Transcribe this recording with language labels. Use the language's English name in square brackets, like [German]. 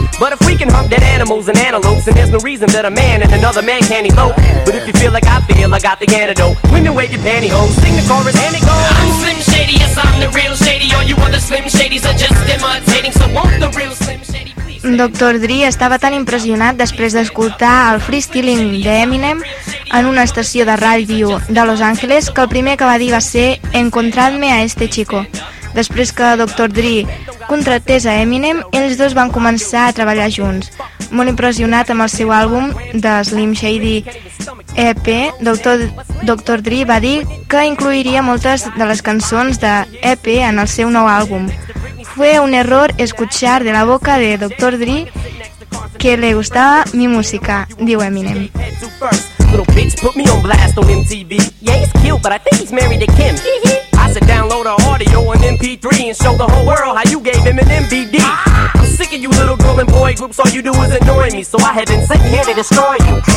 [English] But if we can hunt dead animals and antelopes, then there's no reason that a man and another man can't elope. But if you feel like I feel, I got the antidote. Women, wave your pantyhose, sing the chorus and it goes. I'm Slim Shady, yes, I'm the real Shady. All you other Slim Shadys are just imitating. So won't the real Slim Shady. [Catalan] Dr. Dre estava tan impressionat després d'escoltar el freestyling d'Eminem en una estació de ràdio de Los Angeles que el primer que va dir va ser [Spanish] «Encontradme a este chico». [Catalan] Després que Dr. Dre contractés a Eminem, ells dos van començar a treballar junts. Molt impressionat amb el seu àlbum de Slim Shady EP, Dr. Dre va dir que incluiria moltes de les cançons de EP en el seu nou àlbum. [Spanish] Fue un error escuchar de la boca de Dr. Dre que le gustaba mi música, [Catalan] diu Eminem. [English] Little bitch put me on blast on MTV. Yeah, he's cute, but I think he's married to Kim. I said download her audio on MP3 and show the whole world how you gave him an MVD. I'm sick of you little girl and boy groups. All you do is annoy me, so I have been sitting here to destroy you.